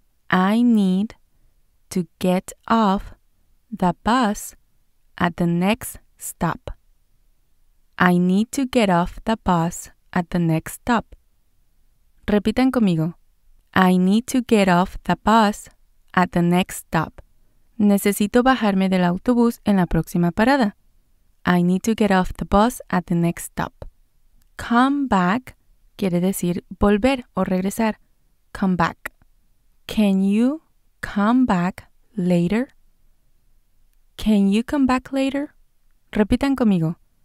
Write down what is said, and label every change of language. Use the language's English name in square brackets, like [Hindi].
[English] I need to get off the bus at the next stop. I need to get off the bus at the next stop. [Spanish] Repitan conmigo. [English] I need to get off the bus at the next stop. [Spanish] Necesito bajarme del autobús en la próxima parada. [English] I need to get off the bus at the next stop. [Spanish] Come back quiere decir volver o regresar. Come back. [English] Can you come back later? Can you come back later? [Spanish] Repitan conmigo.